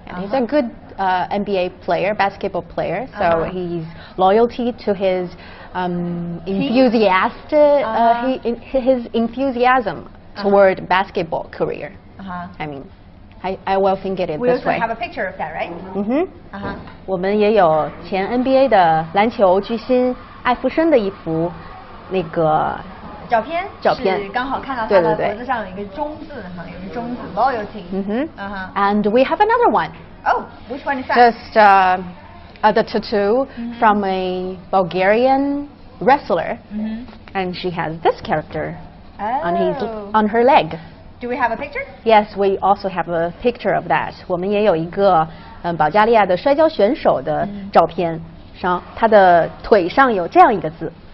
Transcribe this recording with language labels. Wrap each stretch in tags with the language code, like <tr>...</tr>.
<en>And uh-huh. he's a good NBA player, basketball player. So uh-huh. he's loyalty to his his enthusiasm uh-huh. toward basketball career. Uh-huh. I mean, I will think it this way. We also have a picture of that, right? Mm-hmm. Uh-huh.</en> <zh>我们也有前 NBA 的篮球巨星艾弗森的一幅那个。照片是刚好看到他的脖子上有一个忠字，有一个忠字 loyalty.</zh> <en>Mm-hmm. And we have another one. Oh, which one is that? Just the tattoo mm-hmm. from a Bulgarian wrestler, mm-hmm. and she has this character oh. on her leg. Do we have a picture? Yes, we also have a picture of that.</en> <zh>我们也有一个保加利亚的摔跤选手的照片，上他的腿上有这样一个字。</zh>